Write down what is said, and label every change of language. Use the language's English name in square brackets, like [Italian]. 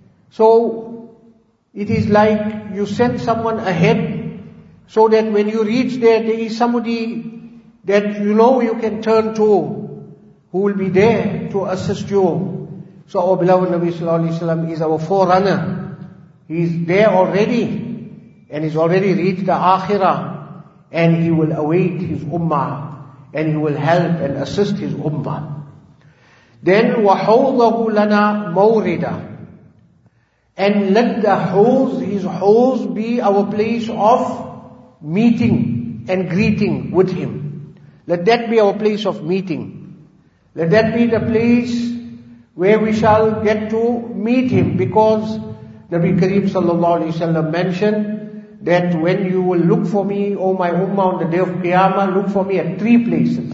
[English] So it is like you send someone ahead, so that when you reach there is somebody that you know you can turn to, who will be there to assist you. So our beloved Nabi sallallahu alayhi wa sallam is our forerunner. He is there already, and he's already reached the akhirah, and he will await his ummah, and he will help and assist his ummah. [Arabic] Then, وَحَوْضَهُ لَنَا مَوْرِدًا. [English] And let the hawz, his hawz, be our place of meeting and greeting with him. Let that be our place of meeting. Let that be the place where we shall get to meet him. Because Nabi Kareem sallallahu alayhi wa sallam mentioned that when you will look for me, O my ummah, on the day of Qiyamah, look for me at three places.